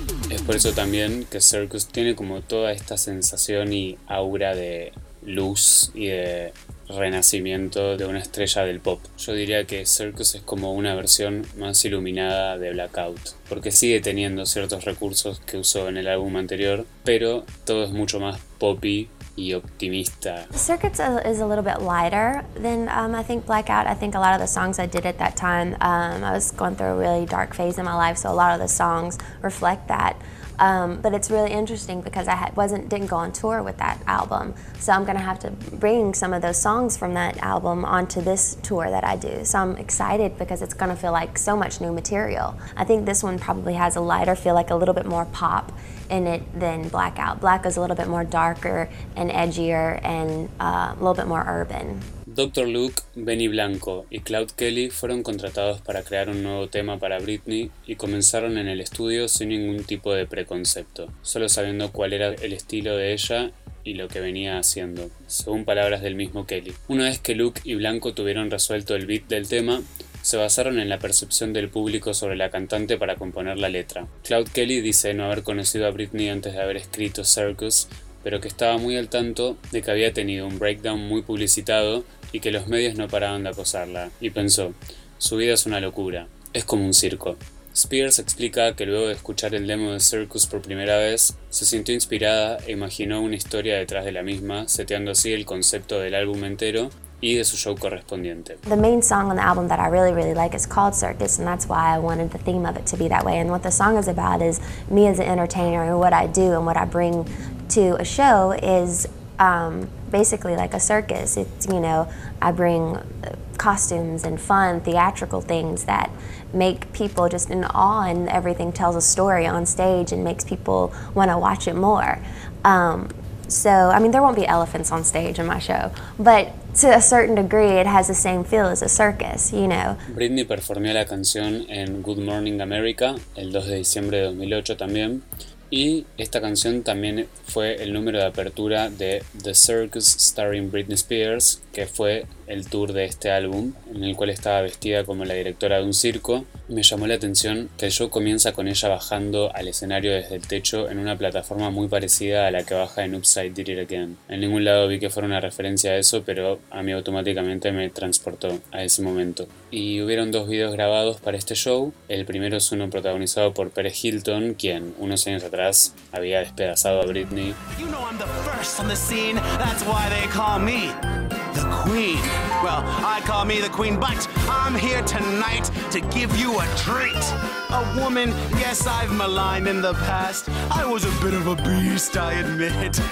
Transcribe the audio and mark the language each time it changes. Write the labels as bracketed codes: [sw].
[es] Es por eso también que Circus tiene como toda esta sensación y aura de luz y de renacimiento de una estrella del pop. Yo diría que Circus es como una versión más iluminada de Blackout, porque sigue teniendo ciertos recursos que usó en el álbum anterior, pero todo es mucho más poppy y optimista. [en] Circus is a little bit lighter than I think Blackout. I think a lot of the songs I did at that time, I was going through a really dark phase in my life, so a lot of the songs reflect that. But it's really interesting because I didn't go on tour with that album, so I'm gonna have to bring some of those songs from that album onto this tour that I do. So I'm excited because it's gonna feel like so much new material. I think this one probably has a lighter feel, like a little bit more pop in it than Blackout. Black is a little bit more darker and edgier and a little bit more urban. [es] Dr. Luke, Benny Blanco y Cloud Kelly fueron contratados para crear un nuevo tema para Britney y comenzaron en el estudio sin ningún tipo de preconcepto, solo sabiendo cuál era el estilo de ella y lo que venía haciendo, según palabras del mismo Kelly. Una vez que Luke y Blanco tuvieron resuelto el beat del tema, se basaron en la percepción del público sobre la cantante para componer la letra. Cloud Kelly dice no haber conocido a Britney antes de haber escrito Circus, pero que estaba muy al tanto de que había tenido un breakdown muy publicitado y que los medios no paraban de acosarla, y pensó, su vida es una locura, es como un circo. Spears explica que luego de escuchar el demo de Circus por primera vez, se sintió inspirada e imaginó una historia detrás de la misma, seteando así el concepto del álbum entero y de su show correspondiente. [en] The main song on the album that I really, really like is called Circus, and that's why I wanted the theme of it to be that way. And what the song is about is me as an entertainer and what I do and what I bring to a show is basically like a circus. It's, you know, I bring costumes and fun, theatrical things that make people just in awe, and everything tells a story on stage and makes people want to watch it more. So, I mean, there won't be elephants on stage in my show, but to a certain degree it has the same feel as a circus, you know. [es] Britney performó la canción en Good Morning America el 2 de diciembre de 2008 también. Y esta canción también fue el número de apertura de The Circus Starring Britney Spears, que fue el tour de este álbum, en el cual estaba vestida como la directora de un circo. Me llamó la atención que el show comienza con ella bajando al escenario desde el techo en una plataforma muy parecida a la que baja en Upside Did It Again. En ningún lado vi que fuera una referencia a eso, pero a mí automáticamente me transportó a ese momento. Y hubieron 2 videos grabados para este show. El primero es uno protagonizado por Perez Hilton, quien unos años atrás había despedazado a Britney. [en] You know I'm the first on the scene, that's why they call me the queen. Well, I call me the queen, but I'm here tonight to give you a treat. A woman, yes, I've maligned in the past. I was a bit of a beast, I admit.